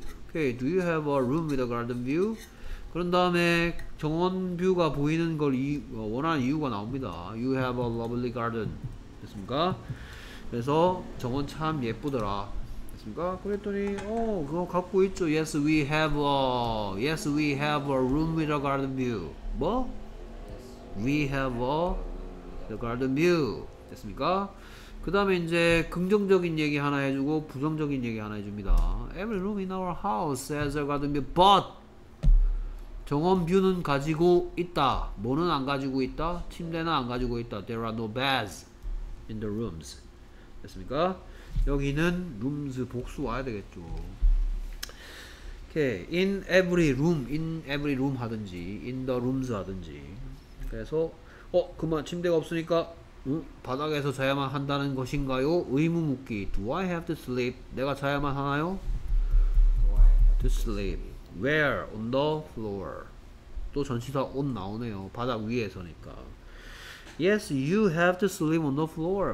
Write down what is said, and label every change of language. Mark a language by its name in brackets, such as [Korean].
[English] Okay, do you have a room with a garden view? [Korean] 그런 다음에 정원 뷰가 보이는 걸 원하는 이유가 나옵니다. [English] You have a lovely garden. [Korean] 됐습니까? 그래서 정원 참 예쁘더라. 됐습니까? 그랬더니 그거 갖고 있죠. [English] Yes, we have a room with a garden view. 뭐? We have a garden view. [Korean] 됐습니까? 그 다음에 이제 긍정적인 얘기 하나 해주고 부정적인 얘기 하나 해줍니다. [English] Every room in our house has a garden view, but [Korean] 정원 뷰는 가지고 있다. 뭐는 안 가지고 있다? 침대는 안 가지고 있다. [English] There are no beds in the rooms. [Korean] 됐습니까? 여기는 rooms 복수 와야 되겠죠. Okay. [English] In every room, in every room 하든지, in the rooms 하든지. [Korean] 그래서, 그만 침대가 없으니까 바닥에서 자야만 한다는 것인가요? 의무 묻기. [English] Do I have to sleep? [Korean] 내가 자야만 하나요? [English] To sleep. Where? On the floor. [Korean] 또 전치사 on 나오네요. 바닥 위에서니까. [English] Yes, you have to sleep on the floor.